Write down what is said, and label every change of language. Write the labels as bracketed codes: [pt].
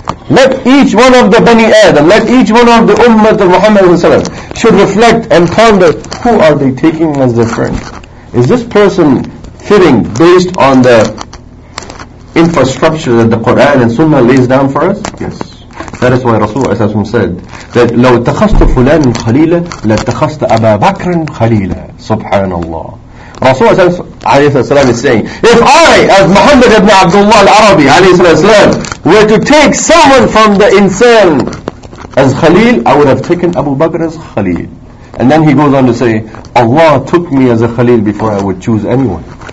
[en] Let each one of the Bani Adam, let each one of the Ummah of Muhammad should reflect and ponder, who are they taking as their friend? Is this person fitting based on the infrastructure that the Quran and Sunnah lays down for us? Yes. That is why Rasulullah said that [ar] لو اتخذت فلان خليلا لاتخذت أبا بكر خليلا. سبحان الله. [en] Rasulullah is saying, if I, as Muhammad ibn Abdullah al-Arabi, were to take someone from the insan as Khalil, I would have taken Abu Bakr as Khalil. And then he goes on to say, Allah took me as a Khalil before I would choose anyone.